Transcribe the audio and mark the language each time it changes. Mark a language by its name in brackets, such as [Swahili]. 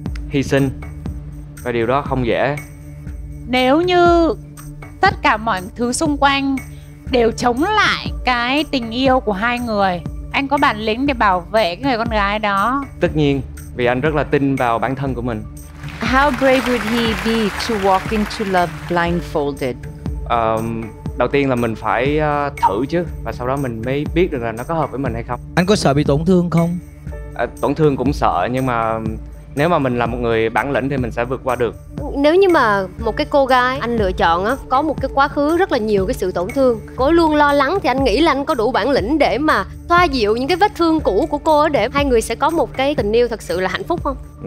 [Vietnamese] Hy sinh. Và điều đó không dễ. Nếu như tất cả mọi thứ xung quanh đều chống lại cái tình yêu của hai người, anh có bản lĩnh để bảo vệ người con gái đó? Tất nhiên, vì anh rất là tin vào bản thân của mình. [English] How brave would he be to walk into love blindfolded? [Vietnamese] Đầu tiên là mình phải thử chứ. Và sau đó mình mới biết được là nó có hợp với mình hay không. Anh có sợ bị tổn thương không? Tổn thương cũng sợ. Nhưng mà nếu mà mình là một người bản lĩnh thì mình sẽ vượt qua được. Nếu như mà một cái cô gái anh lựa chọn á, có một cái quá khứ rất là nhiều cái sự tổn thương, cô luôn lo lắng, thì anh nghĩ là anh có đủ bản lĩnh để mà thoa dịu những cái vết thương cũ của cô á, để hai người sẽ có một cái tình yêu thật sự là hạnh phúc không?